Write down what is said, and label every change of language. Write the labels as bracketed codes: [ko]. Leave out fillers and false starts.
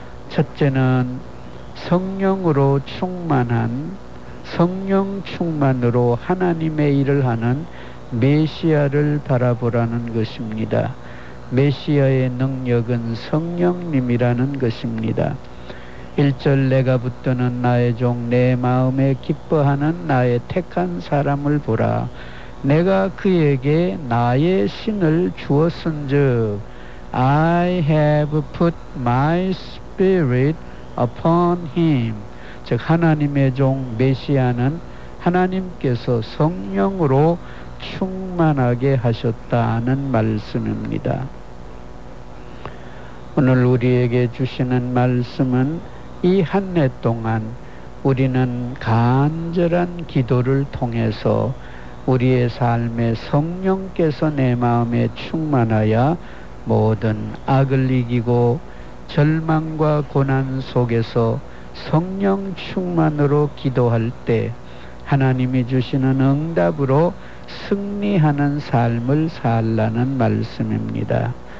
[ko] 첫째는 성령으로 충만한, 성령 충만으로 하나님의 일을 하는 메시아를 바라보라는 것입니다. 메시아의 능력은 성령님이라는 것입니다. 1절 내가 붙드는 나의 종, 내 마음에 기뻐하는 나의 택한 사람을 보라. 내가 그에게 나의 신을 주었은즉, [en] I have put my spirit upon him. [ko] 즉 하나님의 종 메시아는 하나님께서 성령으로 충만하게 하셨다는 말씀입니다. 오늘 우리에게 주시는 말씀은 이 한 해 동안 우리는 간절한 기도를 통해서 우리의 삶에 성령께서 내 마음에 충만하여 모든 악을 이기고 절망과 고난 속에서 성령 충만으로 기도할 때 하나님이 주시는 응답으로 승리하는 삶을 살라는 말씀입니다.